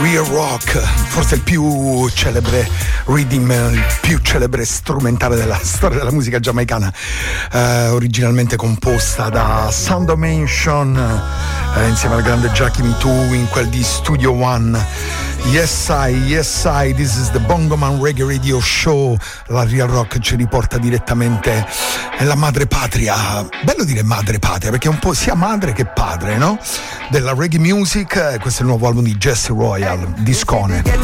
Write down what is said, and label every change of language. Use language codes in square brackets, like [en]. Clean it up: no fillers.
[it] Rock, forse il più celebre rhythm, il più celebre strumentale della storia della musica giamaicana, originalmente composta da Sound Dimension, insieme al grande Jackie Mitu in quel di Studio One. [en] Yes I, this is the Bongoman Reggae Radio Show. [it] La Real Rock ci riporta direttamente nella madre patria. Bello dire madre patria, perché è un po' sia madre che padre, no? Della reggae music. Questo è il nuovo album di Jesse Royal, Discone.